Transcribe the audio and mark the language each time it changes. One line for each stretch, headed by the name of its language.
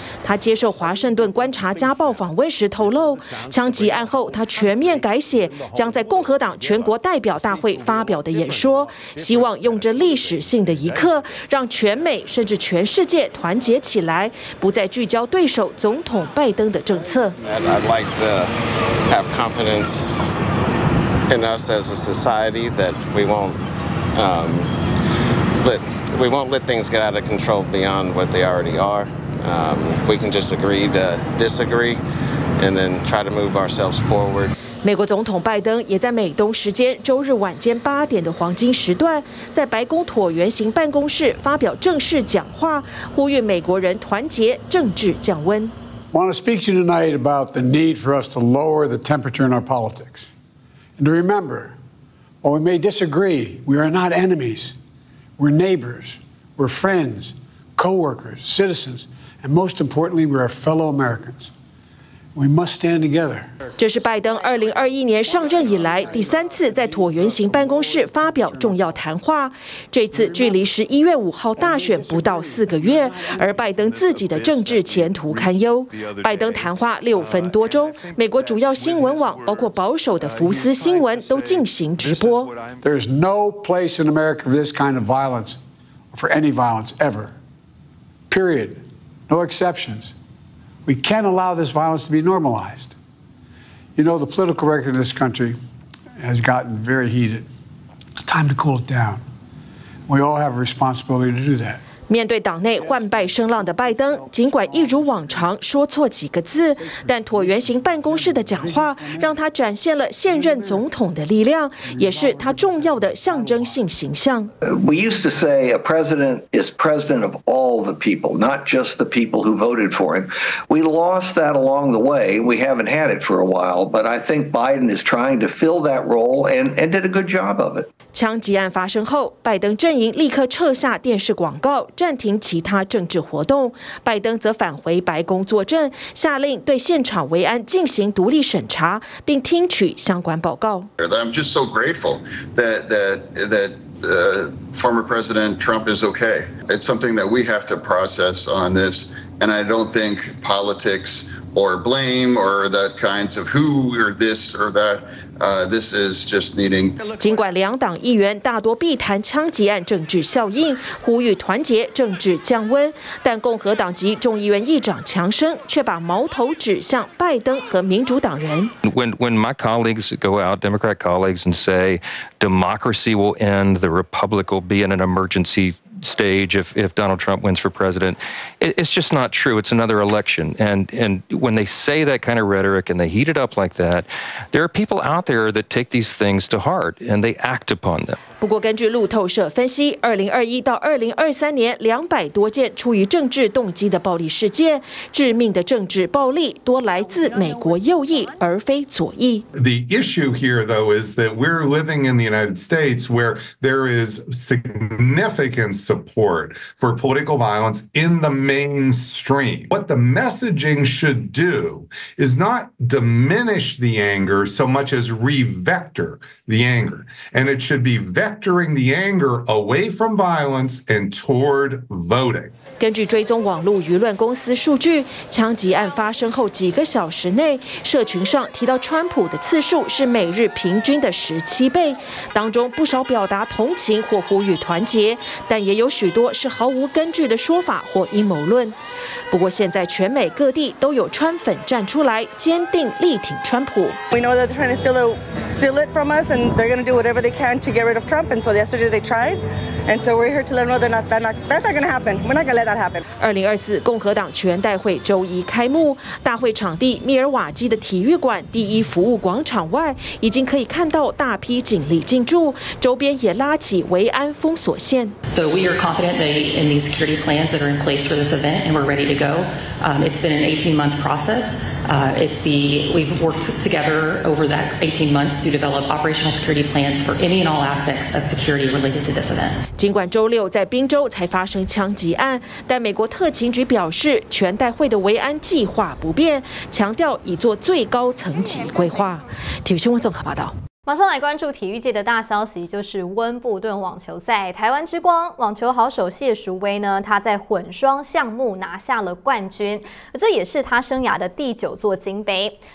Chinese: 他接受华盛顿观察家报访问时透露，枪击案后他全面改写将在共和党全国代表大会发表的演说，希望用这历史性的一刻让全美甚至全世界团结起来，不再聚焦对手总统拜登的政策。
English: I'd like to have confidence in us as a society that we won't let things get out of control beyond what they already are. If we can just agree to disagree and then try to move ourselves forward.
Chinese: 美国总统拜登也在美东时间周日晚间8点的黄金时段，在白宫椭圆形办公室发表正式讲话，呼吁美国人团结，政治降温。
English: I want to speak to you tonight about the need for us to lower the temperature in our politics, and to remember, while we may disagree, we are not enemies. We're neighbors. We're friends, coworkers, citizens, and most importantly, we are fellow Americans. We must stand together.
Chinese: 这是拜登2021年上任以来第三次在椭圆形办公室发表重要谈话。这次距离11月5号大选不到4个月，而拜登自己的政治前途堪忧。拜登谈话6分多钟，美国主要新闻网包括保守的福斯新闻都进行直播。
English: There is no place in America for this kind of violence, for any violence ever. Period. No exceptions. We can't allow this violence to be normalized. You know, the political record in this country has gotten very heated. It's time to cool it down. We all have a responsibility to do that.
Chinese: 面对党内换败声浪的拜登，尽管一如往常说错几个字，但椭圆形办公室的讲话让他展现了现任总统的力量，也是他重要的象征性形象。
English: We used to say a president is president of all the people, not just the people who voted for him. We lost that along the way. We haven't had it for a while, but I think Biden is trying to fill that role and did a good job of it.
Chinese: 枪击案发生后，拜登阵营立刻撤下电视广告。暂停其他政治活动，拜登则返回白宫坐镇，下令对现场维安进行独立审查，并听取相关报告。
English: I'm just so grateful that former President Trump is okay. It's something that we have to process on this, and I don't think politics or blame or that kinds of who or this or that. This is just needing.
Chinese: 尽管两党议员大多避谈枪击案政治效应，呼吁团结、政治降温，但共和党籍众议院议长强生却把矛头指向拜登和民主党人。
English: When my colleagues go out, Democrat colleagues, and say democracy will end, the republic will be in an emergency stage if Donald Trump wins for president, it's just not true. It's another election, and when they say that kind of rhetoric and they heat it up like that, there are people out there that take these things to heart and they act upon them.
Chinese: 不过根据路透社分析，2021到2023年200多件出于政治动机的暴力事件，致命的政治暴力多来自美国右翼而非左翼。
English: The issue here though is that we're living in the United States where there is significant support for political violence in the mainstream. What the messaging should do is not diminish the anger so much as re-vector the anger. And it should be vectoring the anger away from violence and toward voting.
Chinese: 根据追踪网络舆论公司数据，枪击案发生后几个小时内，社群上提到川普的次数是每日平均的17倍，当中不少表达同情或呼吁团结，但也有许多是毫无根据的说法或阴谋论。不过现在全美各地都有川粉站出来，坚定力挺川普。
English: We know that they're trying to steal it from us, and they're going to do whatever they can to get rid of Trump. And so yesterday they tried, and so we're here to let them know that's not going to happen. We're not going to let that happen.
Chinese: 2024共和党全代会周一开幕，大会场地密尔瓦基的体育馆第一服务广场外，已经可以看到大批警力进驻，周边也拉起维安封锁线。
English: So we are confident in these security plans that are in place for this event, and we're ready to. It's been an 18-month process. We've worked together over that 18 months to develop operational security plans for any and all aspects of security related to this event.
Chinese: 尽管周六在宾州才发生枪击案，但美国特勤局表示全代会的维安计划不变，强调已做最高层级规划。体育新闻综合报道。马上来关注体育界的大消息，就是温布顿网球赛，台湾之光网球好手谢淑薇呢，她在混双项目拿下了冠军，这也是她生涯的第九座金杯。